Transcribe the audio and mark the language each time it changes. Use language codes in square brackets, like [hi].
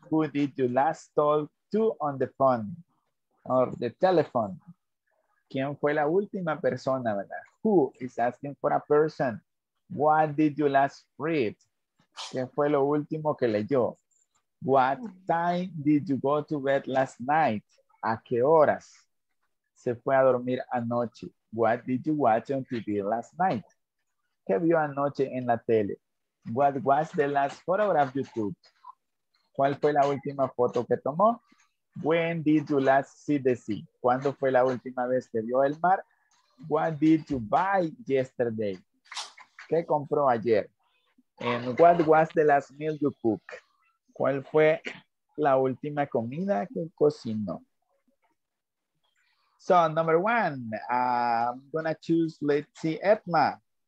[en] Who did you last talk to on the phone? Or the telephone? [es] ¿Quién fue la última persona, verdad? [en] Who is asking for a person? What did you last read? [es] ¿Qué fue lo último que leyó? [en] What time did you go to bed last night? [es] ¿A qué horas se fue a dormir anoche? [en] What did you watch on TV last night? [es] ¿Qué vio anoche en la tele? [en] What was the last photograph you took? [es] ¿Cuál fue la última foto que tomó? [en] When did you last see the sea? [es] ¿Cuándo fue la última vez que vio el mar? [en] What did you buy yesterday? [es] ¿Qué compró ayer? [en] And what was the last meal you cook? [es] ¿Cuál fue la última comida que cocinó? [en] So, number one, I'm gonna choose, let's see, Edma.